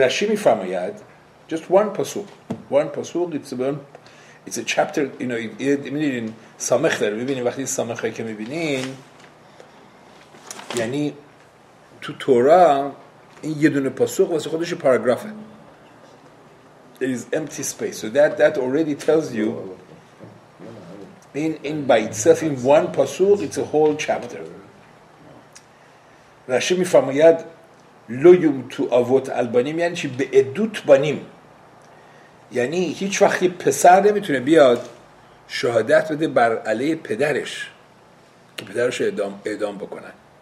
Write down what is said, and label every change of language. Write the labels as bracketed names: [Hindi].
[Persian] رشی می فرماید [English] Just one [Persian] پاسخ. [English] One [Persian] پاسخ. [English] It's a chapter. You know, [Persian] میدین سامخ داره. میبینین وقتی سامخ هایی که میبینین یعنی تو تورا این یه دونه پاسخ واسه خودش پاراگرافه. [English] It is empty space. So that already tells you in by itself in one pasuk it's a whole chapter. [Persian] رشی میفرماید [Hebrew] لو یومتو اووت البنیم [Persian] یعنی چی؟ به عدوت بنیم، یعنی هیچ وقتی پسر نمیتونه بیاد شهادت بده بر علیه پدرش که پدرش اعدام بکنن.